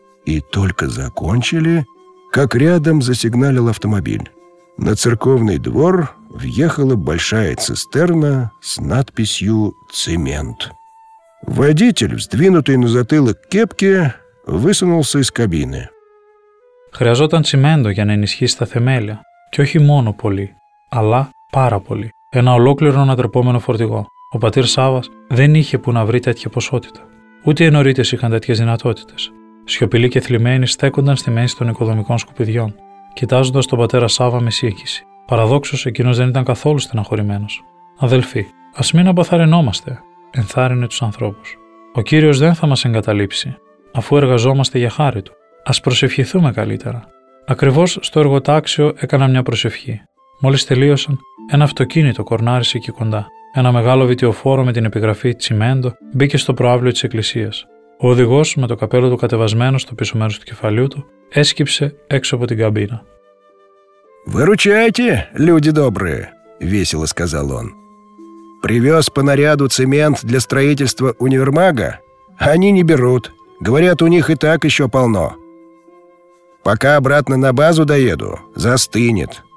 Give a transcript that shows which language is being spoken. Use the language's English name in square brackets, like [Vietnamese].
[Russian] И только закончили, как рядом засигналил автомобиль. На церковный двор въехала большая цистерна с надписью «Цемент». Водитель, вздвинутый на затылок кепки, высунулся из кабины. [Greek] Χρειαζόταν τσιμέντο για να ενισχύσει τα θεμέλια. Και όχι μόνο πολύ, αλλά πάρα πολύ. Ένα ολόκληρο ανατρεπόμενο φορτηγό. Ο πατήρ Σάββας δεν είχε που να βρει τέτοια ποσότητα. Ούτε οι νωρίτες είχαν τέτοιες δυνατότητες. Σιωπηλοί και θλιμμένοι στέκονταν στη μέση των οικοδομικών σκουπιδιών, κοιτάζοντας τον πατέρα Σάββα με σύγχυση. Παραδόξως, εκείνος δεν ήταν καθόλου στεναχωρημένος. Αδελφοί, ας μην αποθαρρυνόμαστε. Ενθάρρυνε τους ανθρώπους. Ο Κύριος δεν θα μας εγκαταλείψει, αφού εργαζόμαστε για χάρη Του. Ας προσευχηθούμε καλύτερα. Ακριβώς στο εργοτάξιο έκανα μια προσευχή. Μόλις τελείωσαν, ένα αυτοκίνητο κορνάρισε εκεί κοντά. Ένα μεγάλο βιτιοφόρο με την επιγραφή «Τσιμέντο» μπήκε στο προάβλιο της εκκλησίας. Ο οδηγός, με το καπέλο του κατεβασμένο στο πίσω μέρος του κεφαλιού του, έσκυψε έξω από την καμπίνα. [Russian] «Выручайте, люди добрые», весело сказал он. «Привез по наряду цемент для строительства универмага? Они не берут. Говорят, у них и так еще полно. Пока обратно на базу доеду, застынет.